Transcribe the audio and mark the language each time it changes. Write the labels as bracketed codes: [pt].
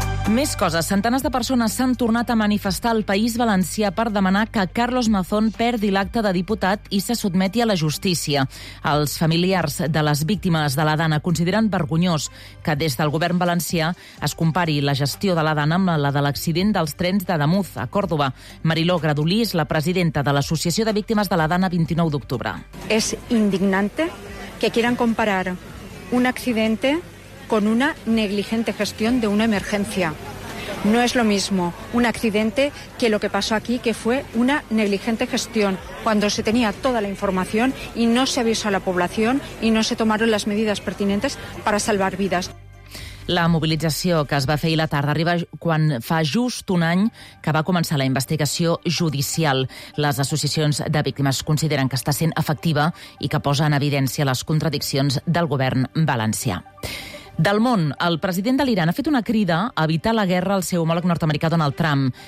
[ca] Més coses. Centenars de persones s'han tornat a manifestar al País Valencià per demanar que Carlos Mazón perdi l'acte de diputat i se sotmeti a la justícia. Els familiars de les víctimes de la Dana consideren vergonyós que des del govern valencià es compari la gestió de la Dana amb la de l'accident dels trens d'Adamuz, a Còrdoba. Mariló Gradolí és la presidenta de l'Associació de Víctimes de la Dana 29 d'octubre. [es] És indignante que quieran comparar un accidente con una negligente gestión de una emergencia. No es lo mismo un accidente que lo que pasó aquí, que fue una negligente gestión, cuando se tenía toda la información y no se avisó a la población y no se tomaron las medidas pertinentes para salvar vidas. [ca] La mobilització que es va fer ahir la tarda arriba quan fa just un any que va començar la investigació judicial. Les associacions de víctimes consideren que està sent efectiva i que posa en evidència les contradiccions del govern valencià. Del món, el president de l'Iran ha fet una crida a evitar la guerra al seu homòleg nord-americà Donald Trump.